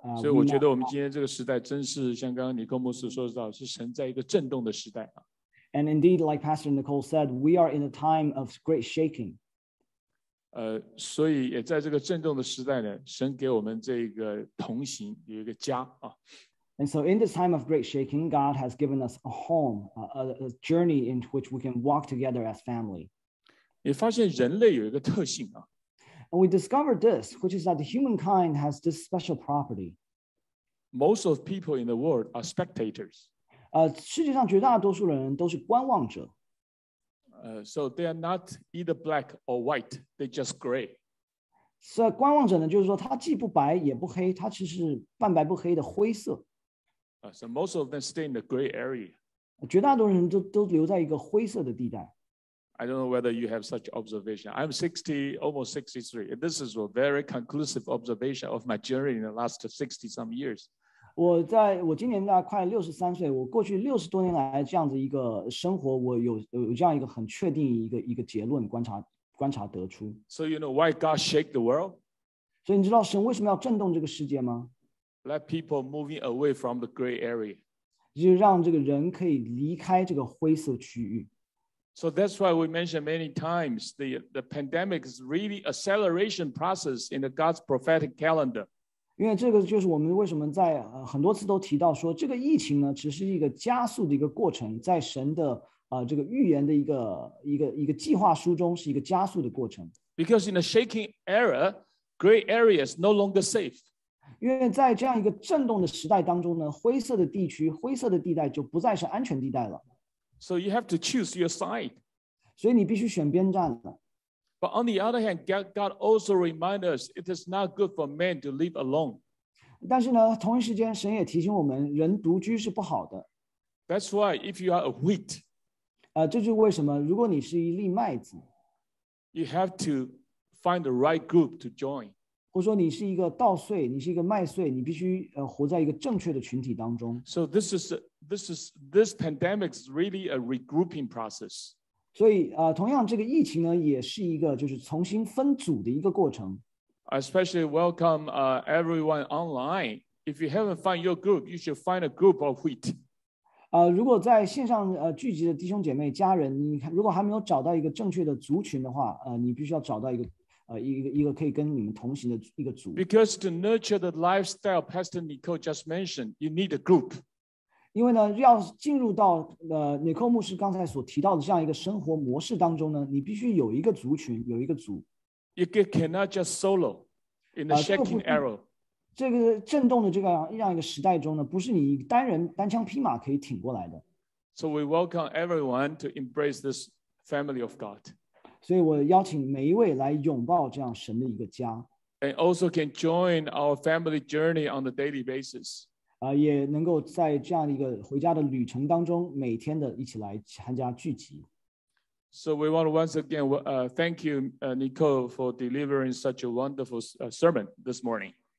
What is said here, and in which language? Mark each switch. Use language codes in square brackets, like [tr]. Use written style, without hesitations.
[zh] 所以我觉得我们今天这个时代真是像刚刚尼克牧师说到，是神在一个震动的时代啊。 [en] And indeed, like Pastor Nicole said, we are in a time of great shaking. [zh] 所以也在这个震动的时代呢，神给我们这个同行有一个家啊。 [en] And so in this time of great shaking, God has given us a home, a journey in which we can walk together as family. [zh] 你发现人类有一个特性啊。 [en] And we discovered this, which is that the humankind has this special property. Most of people in the world are spectators. [zh] 世界上绝大多数人都是观望者。 [en] So they are not either black or white, they're just gray. [zh] So 观望者呢，就是说他既不白也不黑，他其实半白不黑的灰色。 [en] So most of them stay in the gray area. [zh] 绝大多数人都留在一个灰色的地带。 [en] I don't know whether you have such observation. I'm 60, almost 63. This is a very conclusive observation of my journey in the last 60 some years. [zh] 我今年快63岁，我过去60多年来这样子一个生活，我有这样一个很确定一个结论观察得出。 [en] So you know why God shake the world? [zh] 所以你知道神为什么要震动这个世界吗？ [en] Let people moving away from the gray area. [zh] 就让这个人可以离开这个灰色区域。 [en] So that's why we mentioned many times the pandemic is really acceleration process in the God's prophetic calendar. [zh] 因为这个就是我们为什么在很多次都提到说这个疫情呢只是一个加速的一个过程，在神的这个预言的一个计划书中是一个加速的过程。 [en] Because in a shaking era, gray area is no longer safe. [zh] 因为在这样一个震动的时代当中呢，灰色的地区、灰色的地带就不再是安全地带了。 [en] So you have to choose your side. [zh] 所以你必须选边站的。 [en] But on the other hand, God also reminds us it is not good for man to live alone. [zh] 但是呢，同一时间神也提醒我们，人独居是不好的。 [en] That's why if you are a wheat, [zh] 这就是为什么如果你是一粒麦子， [en] you have to find the right group to join. [zh] 或者说你是一个稻穗，你是一个麦穗，你必须活在一个正确的群体当中。 [en] So this pandemic is really a regrouping process. [zh] 所以同样这个疫情呢也是一个就是重新分组的一个过程。 [en] I especially welcome everyone online. If you haven't found your group, you should find a group of wheat. [zh] 如果在线上聚集的弟兄姐妹家人，你如果还没有找到一个正确的族群的话，你必须要找到一个可以跟你们同行的一个组。 [en] Because to nurture the lifestyle Pastor Nicole just mentioned, you need a group. [zh] 因为呢，要进入到尼克牧师刚才所提到的这样一个生活模式当中呢，你必须有一个族群，有一个组。 [en] You cannot just solo in the shaking era. [zh] 这个震动的这样一个时代中呢，不是你单人单枪匹马可以挺过来的。 [en] So we welcome everyone to embrace this family of God. [zh] 所以我邀请每一位来拥抱这样神的一个家。 [en] And also can join our family journey on a daily basis. [zh] 也能够在这样一个回家的旅程当中每天的一起来参加聚集。 [en] So we want to once again thank you, Nicole, for delivering such a wonderful sermon this morning.